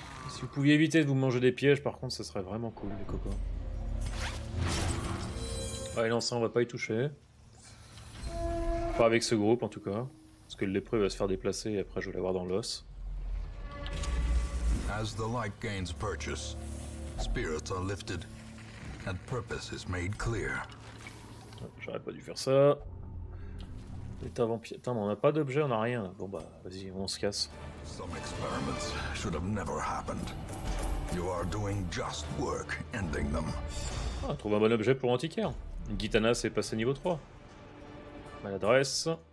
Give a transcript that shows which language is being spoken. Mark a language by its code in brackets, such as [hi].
[fr] Si vous pouviez éviter de vous manger des pièges, par contre, ça serait vraiment cool, les copains. Allez, l'ancien, on va pas y toucher. Pas avec ce groupe en tout cas, parce que le lépreux va se faire déplacer et après je vais l'avoir dans l'os. [en] As the light gains purchase, spirits are lifted, and purpose is made clear. [fr] J'aurais pas dû faire ça. L'état vampire. Attends, on n'a pas d'objet, on n'a rien. Bon bah, vas-y, on se casse. [en] Some experiments should have never happened. You are doing just work ending them. [fr] Ah, trouve un bon objet pour l'antiquaire. Une guitana, c'est passé niveau 3. Maladresse.